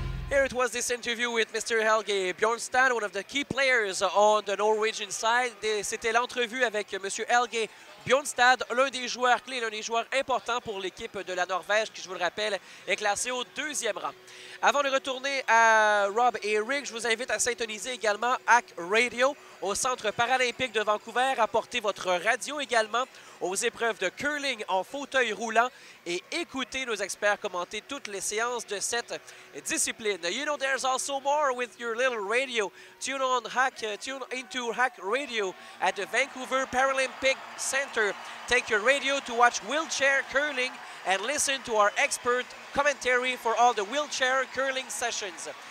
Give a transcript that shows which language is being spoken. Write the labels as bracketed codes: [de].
[en] Here it was, this interview with Mr. Helge Bjornstad, one of the key players on the Norwegian side. [fr] C'était l'entrevue avec Monsieur Helge Bjornstad, l'un des joueurs clés, l'un des joueurs importants pour l'équipe de la Norvège, qui, je vous le rappelle, est classée au deuxième rang. Avant de retourner à Rob et Rick, je vous invite à s'intoniser également à Hack Radio. au Centre paralympique de Vancouver. Apportez votre radio également aux épreuves de curling en fauteuil roulant et écoutez nos experts commenter toutes les séances de cette discipline. [en] You know, there's also more with your little radio. Tune on Hack, tune into Hack Radio at the Vancouver Paralympic Center. Take your radio to watch wheelchair curling and listen to our expert commentary for all the wheelchair curling sessions.